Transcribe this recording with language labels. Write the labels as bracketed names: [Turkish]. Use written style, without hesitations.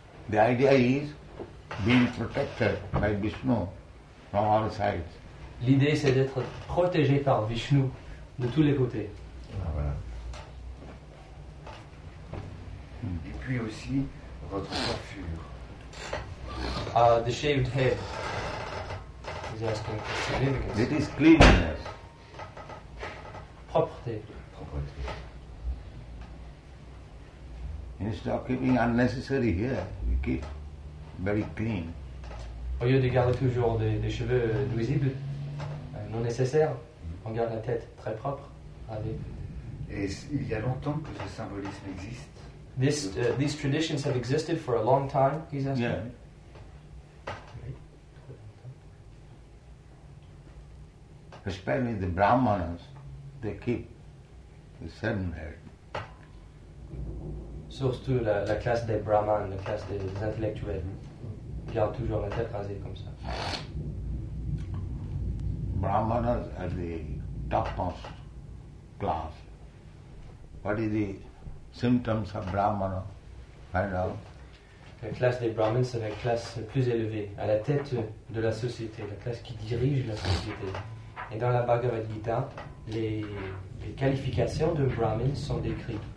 [English] The idea is being protected by Vishnu from all sides. [French] L'idée, c'est d'être protégé par Vishnu de tous les côtés. Et puis aussi votre coiffure. [English] The shaved head. He's asking for significance. It is cleanliness. [French] Propreté. Propreté. [English] Instead of keeping unnecessary hair, we keep very clean. [French] Au lieu de garder toujours des cheveux nuisibles, non nécessaires, on garde la tête très propre. Allez. Et il y a longtemps que ce symbolisme existe. [English] These traditions have existed for a long time, he's asking. Yeah. Especially the Brahmanas, they keep the seven head. [French] Surtout la classe des Brahmanes, la classe des intellectuels, gardent toujours la tête rasée comme ça. [English] Brahmanas are the topmost class. What is the symptoms of Brahmana, find out. [French] La classe des Brahmins, c'est la classe plus élevée, à la tête de la société, la classe qui dirige la société. Et dans la Bhagavad Gita, les qualifications de Brahmins sont décrites.